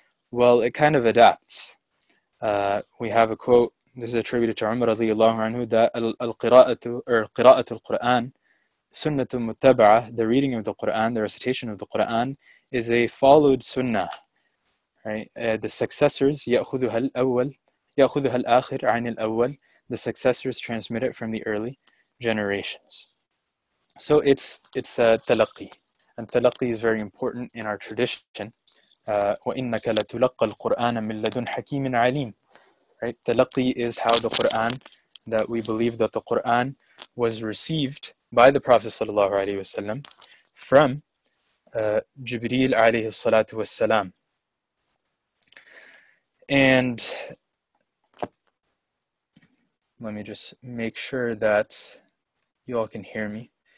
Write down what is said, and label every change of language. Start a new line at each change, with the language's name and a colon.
English: Well, it kind of adapts. We have a quote, this is attributed to Umar radiallahu anhu, that
Arabic: al-Qira'at al-Qur'an, sunnatun muttaba'ah,
English: the reading of the Qur'an, the recitation of the Qur'an, is a followed sunnah. The successors,
Arabic: ya'khuduha al-awwal, ya'khuduha al-akhir, ayn al-awwal,
English: the successors transmit it from the early generations. So it's a talaqi. And talaqi is very important in our tradition.
Arabic: وَإِنَّكَ لَتُلَقَّ الْقُرْآنَ مِنْ لَدُنْ حَكِيمٍ عَلِيمٍ
English: Right? Talaqi is how the Qur'an, that we believe that the Qur'an was received by the Prophet sallallahu alayhi wasallam from Jibreel alayhi salatu wasalam. And let me just make sure that you all can hear me.